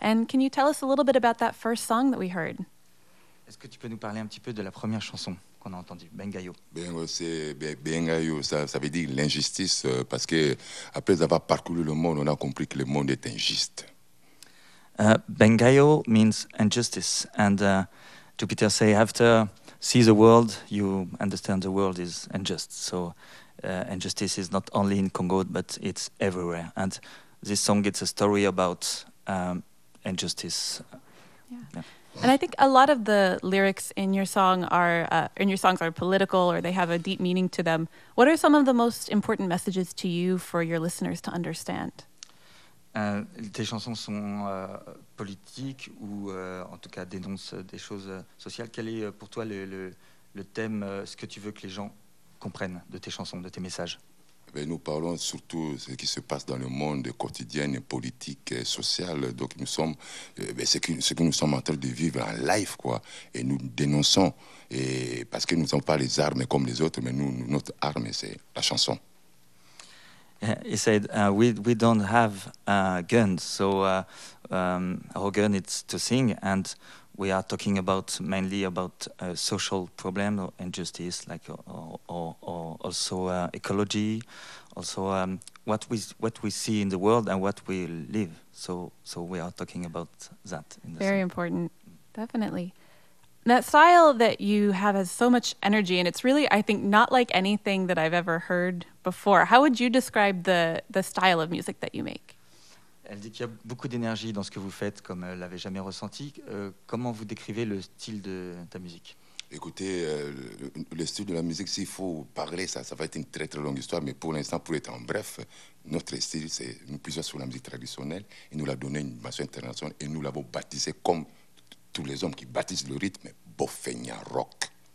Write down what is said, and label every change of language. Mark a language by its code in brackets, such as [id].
[en] And can you tell us a little bit about that first song that we heard? [fr] Est-ce que tu peux nous parler un petit peu de la première chanson? On a entendu Bengayo. Bengo, c'est Bengayo, ça veut dire l'injustice, parce que après avoir parcouru le monde, on a compris que le monde est injuste. [en] Bengayo means injustice, and Jupiter say after see the world, you understand the world is unjust. So injustice is not only in Congo, but it's everywhere. And this song, it's a story about injustice. Yeah. And I think a lot of the lyrics in your song are political, or they have a deep meaning to them. What are some of the most important messages to you for your listeners to understand? [fr] Tes chansons sont politiques ou en tout cas dénoncent des choses sociales. Quel est pour toi le thème, ce que tu veux que les gens comprennent de tes chansons, de tes messages? Mais nous parlons surtout de ce qui se passe dans le monde quotidien, politique, social. Donc nous sommes, ce que nous sommes en train de vivre en live, quoi. Et nous dénonçons, et parce que nous n'avons pas les armes comme les autres, mais nous, notre arme, c'est la chanson. [en] He said, we don't have guns, so our gun is to sing, and we are talking about mainly about social problems or injustice, like or also ecology, also what we see in the world and what we live. So we are talking about that. Very important, definitely. That style that you have has so much energy, and it's really, I think, not like anything that I've ever heard before. How would you describe the style of music that you make? [fr] Elle dit qu'il y a beaucoup d'énergie dans ce que vous faites, comme elle l'avait jamais ressenti. Comment vous décrivez le style de ta musique? Écoutez, le style de la musique, s'il faut parler, ça va être une très très longue histoire, mais pour l'instant, pour être en bref, notre style, c'est nous puisons sur la musique traditionnelle, et nous l'a donné une dimension internationale, et nous l'avons baptisé comme tous les hommes qui baptisent le rythme, Bofenia Rock.